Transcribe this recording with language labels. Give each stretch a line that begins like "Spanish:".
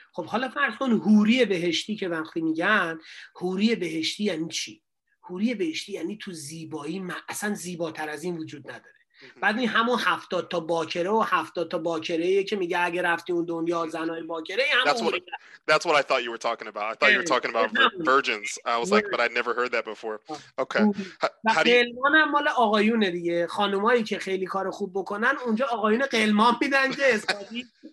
Persian: خب حالا فرض کن حوری بهشتی که وقتی میگن حوری بهشتی یعنی چی؟ حوری بهشتی یعنی تو زیبایی اصلا زیباتر از این وجود نداره. بعد این همون 70 تا باکره و 70 تا باکره ای که میگه اگه رفتی اون دنیا زنای باکره همون.
English: That's what I thought you were talking about. I thought you were talking about virgins. I was like but I never heard that before. Okay.
Persian: قلمان هم مال آقایونه دیگه. خانمایی که خیلی کار خوب بکنن اونجا آقایون قلمان میدن که اسمی.